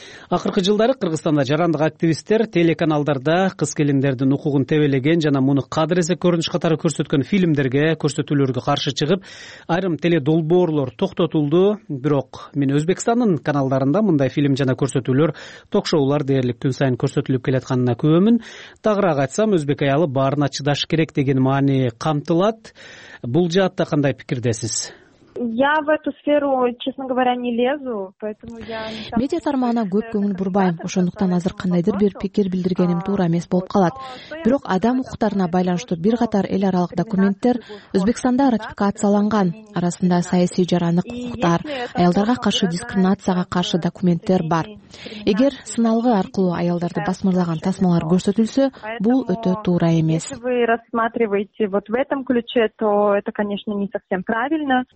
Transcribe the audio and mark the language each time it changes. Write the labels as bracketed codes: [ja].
[ky] Акыркы жылдары Кыргызстанда жарандык активисттер телеканалдарда кыз келиндердин укугун тебелеген жана муну кадыресе көрүнүш катары көрсөткөн фильмдерге, көрсөтүүлөргө каршы чыгып, айрым теледолбоорлор токтотулду. Бирок мен Өзбекстандын каналдарында мындай фильм жана көрсөтүүлөр, ток-шоулар дээрлик күн сайын көрсөтүлүп келатканына күбөмүн. Тагыраак айтсам, өзбек аялы баарына чыдаш керек деген маани камтылат. Бул жаатта кандай пикирдесиз? [ru] Я в эту сферу, честно говоря, не лезу, поэтому я... [ky] Медиа тармагына көп көңүл бурбайм. Ошондуктан азыр кандайдыр бир пикир билдиргеним туура эмес болуп калат. Бирок адам укуктарына байланыштуу бир катар эл аралык документтер Өзбекстанда ратификацияланган. Арасында саясий жарандык укуктар, аялдарга каршы дискриминацияга каршы документтер бар. Эгер сыналгы аркылуу аялдарды басмырлаган тасмалар көрсөтүлсө, бул өтө туура эмес. [ru] Если вы рассматриваете вот в этом ключе, то это, конечно, не совсем правильно.